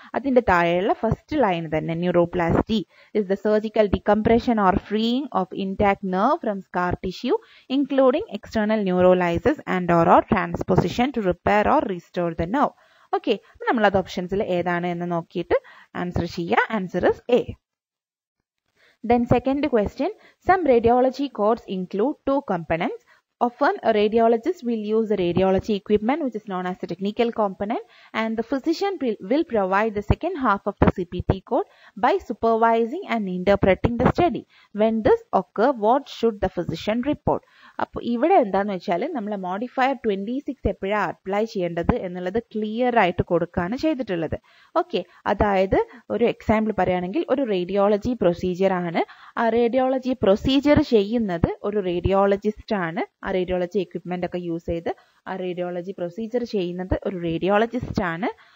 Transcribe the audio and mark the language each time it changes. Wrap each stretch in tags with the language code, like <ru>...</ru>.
<ml>അതിൻ്റെ താഴെയുള്ള first line തന്നെ,</ml> <en>Neuroplasty is the surgical decompression or freeing of intact nerve from scar tissue including external neurolyses and or transposition to repair or restore the nerve.</en> <ml>Okay, അപ്പോൾ നമ്മളത് ഓപ്ഷൻസിൽ ഏതാണ് എന്ന് നോക്കിയിട്ട് answer ചെയ്യുക.</ml> <en>Answer is A. Then second question, some radiology codes include 2 components. Often a radiologist will use the radiology equipment which is known as the technical component, and the physician will provide the second half of the CPT code by supervising and interpreting the study. When this occur, what should the physician report?</en> <ml>അപ്പോൾ ഇവിടെ എന്താന്ന് വെച്ചാൽ, നമ്മൾ modifier 26 എപ്പോഴാണ് apply ചെയ്യേണ്ടത് എന്നുള്ളത് clear ആയിട്ട് കൊടുക്കുകയാണ് ചെയ്തിട്ടുള്ളത്. ഓക്കെ, അതായത് ഒരു എക്സാമ്പിൾ പറയുകയാണെങ്കിൽ ഒരു റേഡിയോളജി പ്രൊസീജിയർ ആണ്, ആ റേഡിയോളജി പ്രൊസീജിയർ ചെയ്യുന്നത് ഒരു റേഡിയോളജിസ്റ്റ് ആണ്, ആ റേഡിയോളജി എക്വിപ്മെൻ്റ് ഒക്കെ യൂസ് ചെയ്ത് ആ റേഡിയോളജി പ്രൊസീജിയർ ചെയ്യുന്നത് ഒരു റേഡിയോളജിസ്റ്റ് ആണ്.</ml>